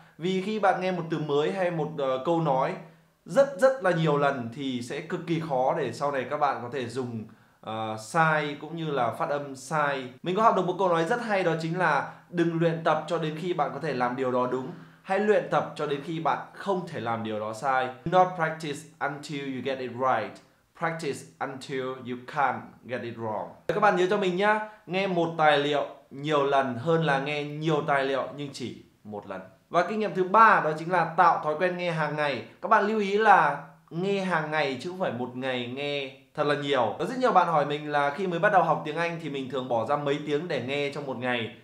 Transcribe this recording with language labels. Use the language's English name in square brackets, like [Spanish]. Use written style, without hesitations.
[Vietnamese] Vì khi bạn nghe một từ mới hay một câu nói rất là nhiều lần thì sẽ cực kỳ khó để sau này các bạn có thể dùng sai cũng như là phát âm sai. Mình có học được một câu nói rất hay, đó chính là đừng luyện tập cho đến khi bạn có thể làm điều đó đúng, hãy luyện tập cho đến khi bạn không thể làm điều đó sai. [English] Do not practice until you get it right, practice until you can't get it wrong. [Vietnamese] Các bạn nhớ cho mình nhá, nghe một tài liệu nhiều lần hơn là nghe nhiều tài liệu nhưng chỉ một lần. Và kinh nghiệm thứ ba đó chính là tạo thói quen nghe hàng ngày. Các bạn lưu ý là nghe hàng ngày chứ không phải một ngày nghe thật là nhiều. Có rất nhiều bạn hỏi mình là khi mới bắt đầu học tiếng Anh thì mình thường bỏ ra mấy tiếng để nghe trong một ngày.